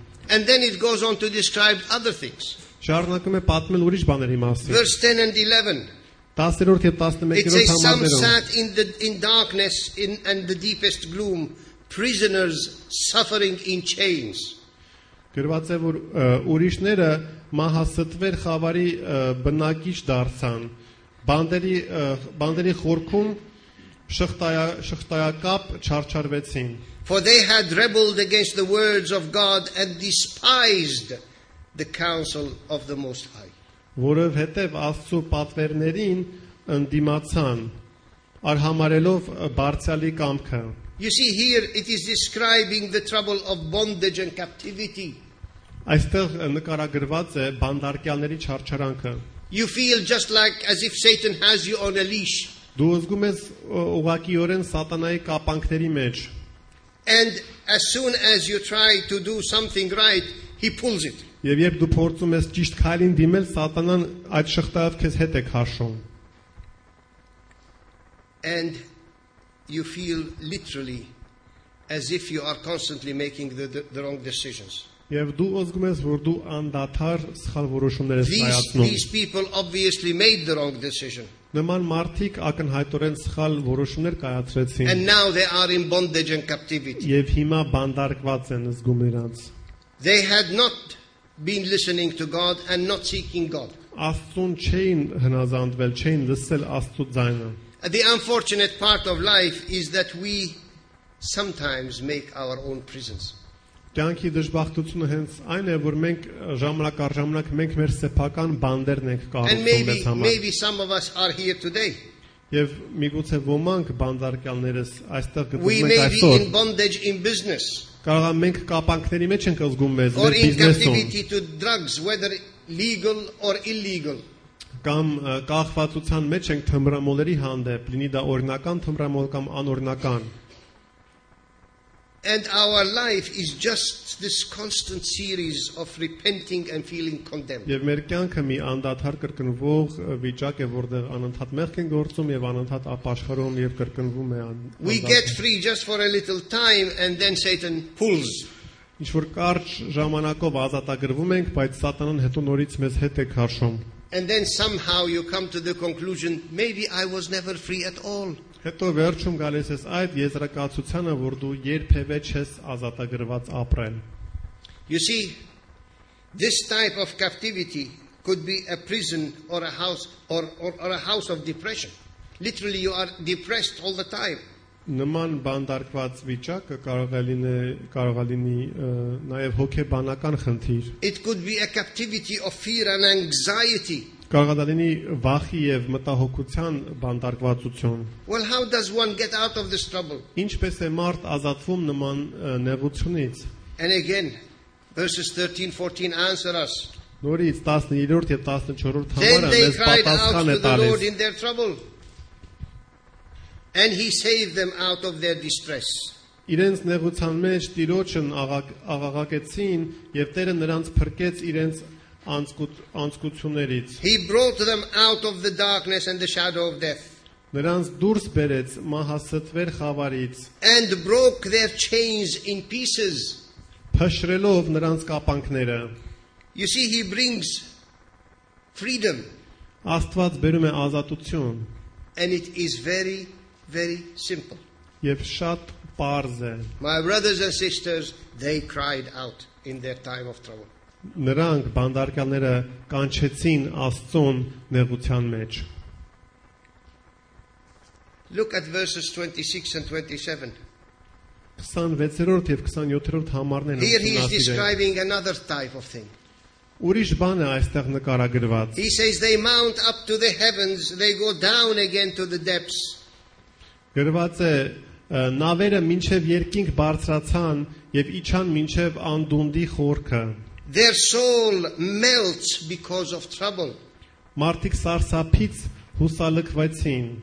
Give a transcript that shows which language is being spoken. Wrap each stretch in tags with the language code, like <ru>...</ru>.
<en>And then it goes on to describe other things. Verse 10 and 11. It says, Some sat in darkness and the deepest gloom, prisoners suffering in chains.</en> <hy>Գրված է, որ ուրիշները մահաստվեր խավարի բնակիչ դարձան, բանդերի խորքում շղթայակապ չարչարվեցին.</hy> <en>For they had rebelled against the words of God and despised the counsel of the Most High.</en> <hy>Որովհետև Աստծո պատվերներին ընդդիմացան, արհամարելով բարձյալի կամքը.</hy> <en>You see, here it is describing the trouble of bondage and captivity.</en> <hy>Այստեղ նկարագրված է բանդարկյալների չարչարանքը։</hy> <en>You feel just like as if Satan has you on a leash.</en> <hy>Դու զգում ես ուղղակիորեն սատանայի կապանքների մեջ։</hy> <en>And as soon as you try to do something right, he pulls it.</en> <hy>Եվ երբ դու փորձում ես ճիշտ քայլին դիմել, սատանան այդ շղթայով քեզ հետ է քաշում։</hy> <en>And you feel literally as if you are constantly making the wrong decisions.</en> <hy>Եվ դու ասում ես, որ դու անդադար սխալ որոշումներ ես կայացնում։</hy> <en>These people obviously made the wrong decision.</en> <hy>Նման մարդիկ ակնհայտորեն սխալ որոշումներ կայացրեցին։</hy> <en>And now they are in bondage and captivity.</en> <hy>Եվ հիմա բանդարկված են զգում իրենց։</hy> <en>They had not been listening to God and not seeking God.</en> <hy>Աստուն չէին հնազանդվել, չէին լսել Աստծո ձայնը։</hy> <en>The unfortunate part of life is that we sometimes make our own prisons.</en> <hy>Կյանքի դժբախտությունը հենց այն է, որ մենք ժամանակ առ ժամանակ մենք մեր սեփական բանդերն ենք կառուցում մեզ համար։</hy> <en>And maybe some of us are here today.</en> <hy>Եվ միգուցե ոմանք բանդարկյալներս այստեղ գտնվում ենք այսօր։</hy> <en>We may be in bondage in business.</en> <hy>Կարող ենք մենք կապանքների մեջ ենք զգում մեզ մեր բիզնեսում։</hy> <en>Or in captivity to drugs, whether legal or illegal.</en> <hy>Կամ կախվածության մեջ ենք թմրամոլերի հանդեպ, լինի դա օրինական թմրամոլ կամ անօրինական։</hy> <en>And our life is just this constant series of repenting and feeling condemned.</en> <hy>Եվ մեր կյանքը մի անդադար կրկնվող վիճակ է, որտեղ անընդհատ մեղք են գործում եւ անընդհատ ապաշխարում եւ կրկնվում է այն։</hy> <en>We get free just for a little time and then Satan pulls.</en> <hy>Ինչ որ կարճ ժամանակով ազատագրվում ենք, բայց Սատանան հետո նորից մեզ հետ է քաշում։</hy> <en>And then somehow you come to the conclusion maybe I was never free at all.</en> <hy>Հետո վերջում գալիս ես այդ եզրակացությանը, որ դու երբևէ չես ազատագրված ապրել։</hy> <en>You see, this type of captivity could be a prison or a house or a house of depression. Literally you are depressed all the time.</en> <hy>Նման բանդարկված վիճակը կարող է լինի նաև հոգեբանական խնդիր։</hy> <en>It could be a captivity of fear and anxiety.</en> <hy>Կարող է լինի վախի եւ մտահոգության բանդարկվածություն։</hy> <en>Well, how does one get out of this trouble?</en> <hy>Ինչպես է մարդ ազատվում նման նեղությունից։</hy> <en>And again, verses 13-14 answer us.</en> <hy>Նորից 13-րդ եւ 14-րդ համարը մեզ պատասխան է տալիս.</hy> <en>And he saved them out of their distress.</en> <hy>Իրենց նեղության մեջ տիրոջն աղաղակեցին եւ Տերը նրանց փրկեց իրենց անձկություններից.</hy> <en>He brought them out of the darkness and the shadow of death.</en> <hy>Նրանց դուրս բերեց մահացածվեր խավարից.</hy> <en>And broke their chains in pieces.</en> <hy>Փշրելով նրանց կապանքները.</hy> <en>You see, he brings freedom.</en> <hy>Աստված բերում է ազատություն.</hy> <en>And it is very, very simple.</en> <hy>Եվ շատ պարզ է.</hy> <en>My brothers and sisters, they cried out in their time of trouble.</en> <hy>Նրանք բանդարկաները կանչեցին Աստծուն նեղության մեջ.</hy> <en>Look at verses 26 and 27.</en> <hy>26-րդ եւ 27-րդ համարներն ասում են.</hy> <en>Here he is describing another type of thing.</en> <hy>Ուրիշ բան է այստեղ նկարագրված.</hy> <en>He says they mount up to the heavens, they go down again to the depths.</en> <hy>Գրված է նավերը մինչև երկինք բարձրացան եւ իջան մինչև անդունդի խորքը.</hy> <en>Their soul melts because of trouble.</en> <hy>Մարդիկ սարսափից հուսալքվեցին.</hy>